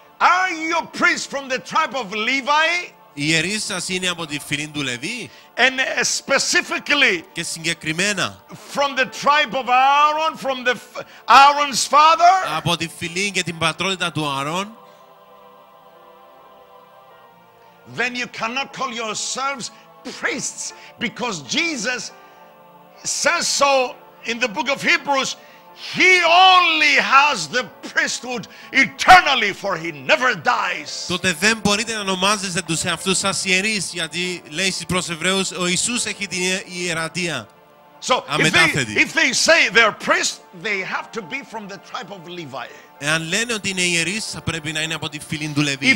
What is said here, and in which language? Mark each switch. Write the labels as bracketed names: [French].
[English] Are you a priest from the tribe of Levi? [Greek] Οι ιερείς σας είναι από τη φυλή του Λεβί. [English] And specifically. [Greek] Και συγκεκριμένα. [English] From the tribe of Aaron, from the Aaron's father. [Greek] Από τη φυλή και την πατρότητα του Αρών. [English] Then you cannot call yourselves priests because Jesus says so in the book of Hebrews. He only has the priesthood eternally, for he never dies. [Greek] Τότε δεν μπορείτε να ονομάζεστε τους εαυτούς σας ιερείς, γιατί λέει στις προς Εβραίους ο Ιησούς έχει την ιερατεία. [English] So if they say they're priests, they have to be from the tribe of Levi. [Greek] Εάν λένε ότι είναι ιερείς, θα πρέπει να είναι από τη φυλή του Λεβί.